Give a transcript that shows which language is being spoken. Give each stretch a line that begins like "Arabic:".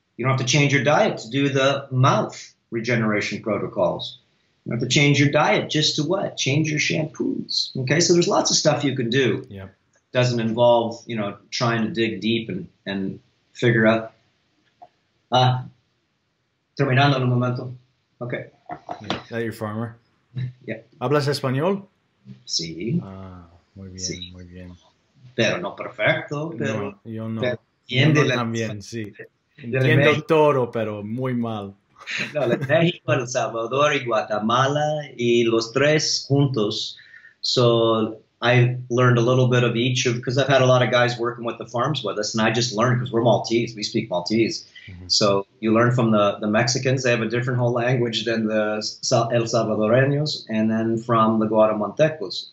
English: You don't have to change your diet to do the mouth regeneration protocols. You don't have to change your diet just to what? Change your shampoos. Okay, so there's lots of stuff you can do. Yeah. Doesn't involve, you know, trying to dig deep and figure out.
Spanish: Terminando en un momento.
English: Okay. Is that your farmer? Yeah.
Spanish: ¿Hablas español? Sí. Muy bien, sí. Muy bien. Pero no perfecto, pero... No, yo no... Pero, también, sí. Entiendo todo, pero muy mal. No, México, El Salvador y Guatemala y los tres juntos.
English: So I learned a little bit of each of, because I've had a lot of guys working with the farms with us, and I just learned because we're Maltese. We speak Maltese. Mm-hmm. So you learn from the Mexicans. They have a different whole language than the El Salvadoreños, and then from the Guatemaltecos.